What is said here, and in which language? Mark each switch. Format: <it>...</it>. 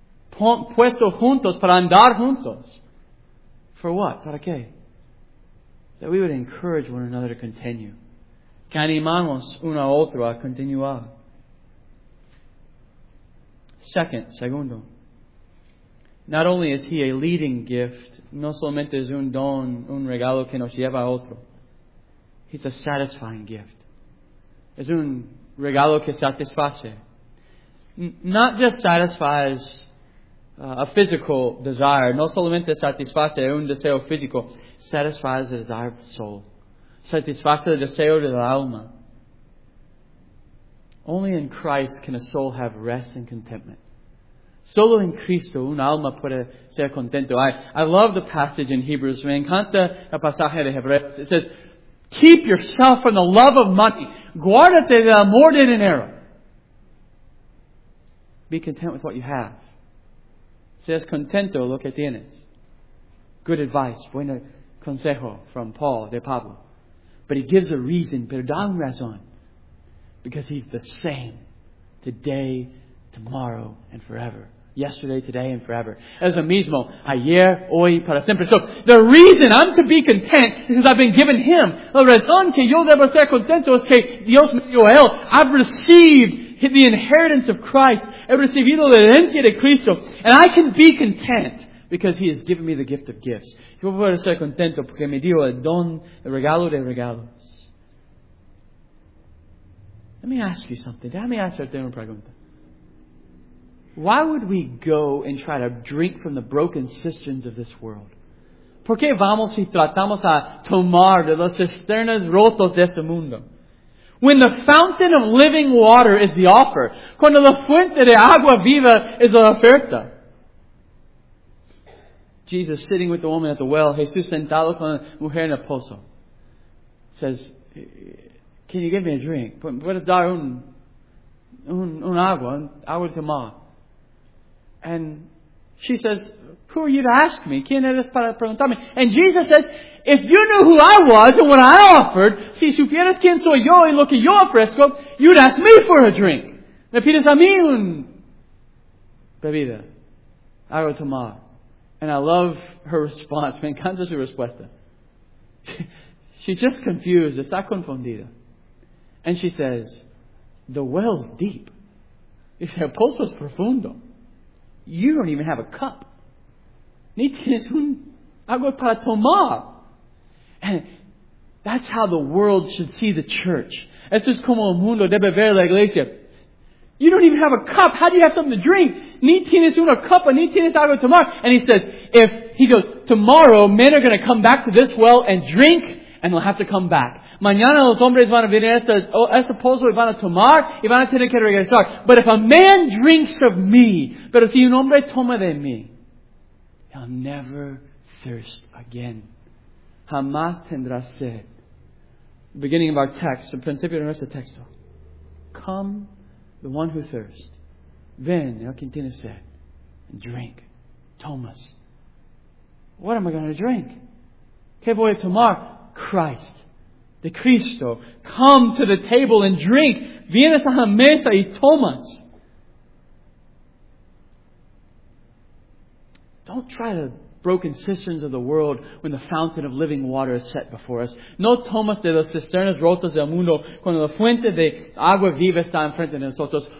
<es>Puesto juntos para andar juntos.</es> <en>For what?</en> <es>¿Para qué?</es> <en>That we would encourage one another to continue.</en> <es>Que animamos uno a otro a continuar. Segundo.</es> <en>Not only is he a leading gift,</en> <es>no solamente es un don, un regalo que nos lleva a otro.</es> <en>He's a satisfying gift.</en> <es>Es un regalo que satisface.</es> <en>Not just satisfies a physical desire.</en> <es>No solamente satisface un deseo físico.</es> <en>Satisfies the desire of the soul.</en> <es>Satisface el deseo del alma.</es> <en>Only in Christ can a soul have rest and contentment.</en> <es>Solo en Cristo un alma puede ser contento.</es> <en>I love the passage in Hebrews.</en> <es>Me encanta el pasaje de Hebreos.</es> <en>It says, keep yourself from the love of money.</en> <es>Guárdate del amor de dinero.</es> <en>Be content with what you have.</en> <es>Seas contento lo que tienes.</es> <en>Good advice.</en> <es>Buen consejo</es> <en>from Paul,</en> <es>de Pablo.</es> <en>But he gives a reason.</en> <es>Pero da un razón.</es> <en>Because he's the same. Today, tomorrow, and forever. Yesterday, today, and forever.</en> <es>Es el mismo. Ayer, hoy, para siempre.</es> <en>So, the reason I'm to be content is because I've been given Him.</en> <es>La razón que yo debo ser contento es que Dios me dio Él.</es> <en>I've received the inheritance of Christ.</en> <es>He recibido la herencia de Cristo.</es> <en>And I can be content because He has given me the gift of gifts.</en> <es>Yo puedo ser contento porque me dio el don, el regalo de regalos.</es> <en>Let me ask you something. Let me ask you</en> <es>una pregunta.</es> <en>Why would we go and try to drink from the broken cisterns of this world?</en> <es>¿Por qué vamos y tratamos a tomar de las cisternas rotas de este mundo?</es> <en>When the fountain of living water is the offer.</en> <es>Cuando la fuente de agua viva es la oferta.</es> <en>Jesus sitting with the woman at the well.</en> <es>Jesús sentado con la mujer en el pozo.</es> <en>Says, can you give me a drink?</en> <es>Puedes dar un agua, un agua de tomar.</es> <en>And she says, who are you to ask me?</en> <es>¿Quién eres para preguntarme?</es> <en>And Jesus says, if you knew who I was and what I offered,</en> <es>si supieras quién soy yo y lo que yo ofrezco,</es> <en>you'd ask me for a drink.</en> <es>Me pides a mí un bebida. Agua de tomar.</es> <en>And I love her response.</en> <es>Me encanta su respuesta.</es> <en>She's just confused.</en> <es>Está confundida.</es> <en>And she says, the well's deep.</en> <es>Dice, el pozo es profundo.</es> <en>You don't even have a cup.</en> <es>Ni tienes un agua para tomar.</es> <en>And that's how the world should see the church.</en> <es>Eso es como el mundo debe ver la iglesia.</es> <en>You don't even have a cup. How do you have something to drink?</en> <es>Ni tienes una copa, ni tienes agua para tomar.</es> <en>And he says, tomorrow men are going to come back to this well and drink, and they'll have to come back.</en> <es>Mañana los hombres van a venir a este pozo y van a tomar y van a tener que regresar.</es> <en>But if a man drinks of me,</en> <es>pero si un hombre toma de mí,</es> <en>he'll never thirst again.</en> <es>Jamás tendrá sed.</es> <en>Beginning of our text,</en> <es>el principio de nuestro texto.</es> <en>Come, the one who thirsts.</en> <es>Ven, el que tiene sed.</es> <en>And drink.</en> <es>Tomas.</es> <en>What am I going to drink?</en> <es>¿Qué voy a tomar?</es> <en>Christ.</en> <es>De Cristo,</es> <en>come to the table and drink.</en> <es>Vienes a la mesa y tomas.</es> <en>Don't try the broken cisterns of the world when the fountain of living water is set before us.</en> <es>No tomas de las cisternas rotas del mundo cuando la fuente de agua viva está enfrente de nosotros.</es>